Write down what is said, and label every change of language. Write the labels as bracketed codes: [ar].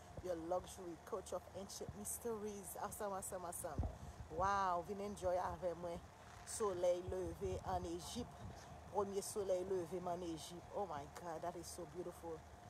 [en] Your luxury coach of ancient mysteries. Awesome. [fr] Wow, venez enjoy avec moi. Soleil levé en Égypte. Premier soleil levé en Égypte. [en] Oh my God, that is so beautiful.